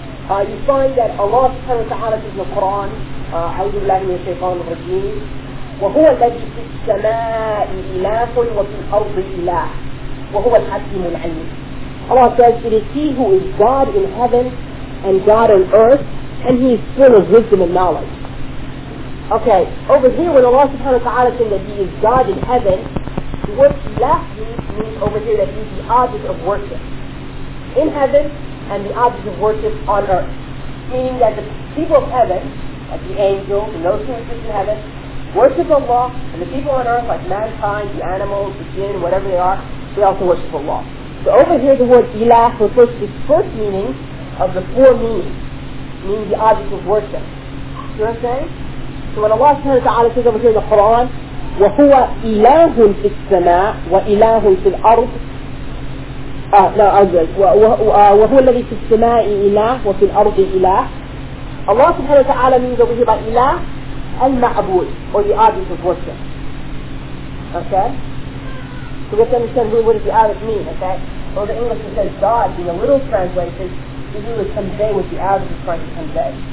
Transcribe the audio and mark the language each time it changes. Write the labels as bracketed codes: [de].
[en] You find that Allah subhanahu wa ta'ala says in the Quran, [ar] أعوذ بالله من الشيطان الرجيم, وَهُوَ الَّذِي فِي السَّمَاءِ إِلَهٌ وَفِي الْأَرْضِ إِلَهٌ وَهُوَ الْحَكِيمُ الْعَلِيمُ. [en] Allah says, it is He who is God in heaven and God on earth, and He is full of wisdom and knowledge. Okay, over here when Allah subhanahu wa ta'ala said that He is God in heaven, the word ilah means over here that He is the object of worship in heaven and the object of worship on earth. Meaning that the people of heaven, like the angels and those who exist in heaven, worship Allah, and the people on earth, like mankind, the animals, the jinn, whatever they are, they also worship Allah. So over here the word ilah refers to the first meaning of the four meanings, meaning the object of worship. You know what I'm saying? So when Allah subhanahu wa ta'ala says over here in the Quran, [ar] وَهُوَ إِلَهٌ فِي السَّمَاءِ وَإِلَهٌ فِي الْأَرْضِ وَهُوَ الَّذِي فِي السَّمَاءِ إِلَهٌ وَفِي الْأَرْضِ إِلَهٌ. [en] Allah subhanahu wa ta'ala means over here by ilah, المعبود, or the object of worship. Okay? So we have to understand really what does the Arabic mean, okay? Well, the English says God, in a little translation, it really convey what the Arabic is trying to convey.